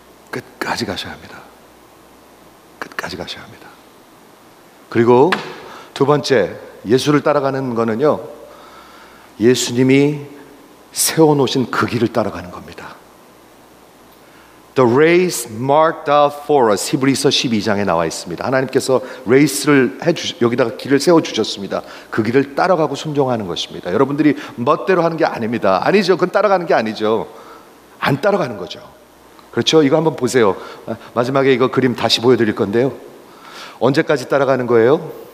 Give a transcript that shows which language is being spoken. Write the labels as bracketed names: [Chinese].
[Korean] 끝까지 가셔야 합니다. 끝까지 가셔야 합니다. 그리고 두 번째, 예수를 따라가는 거는요, 예수님이 세워놓으신 그 길을 따라가는 겁니다. [English] The race marked out for us. [Korean] 히브리서 12장에 나와 있습니다. 하나님께서 레이스를 여기다가 길을 세워주셨습니다. 그 길을 따라가고 순종하는 것입니다. 여러분들이 멋대로 하는 게 아닙니다. 아니죠. 그건 따라가는 게 아니죠. 안 따라가는 거죠. 그렇죠? 이거 한번 보세요. 마지막에 이거 그림 다시 보여드릴 건데요. 언제까지 따라가는 거예요?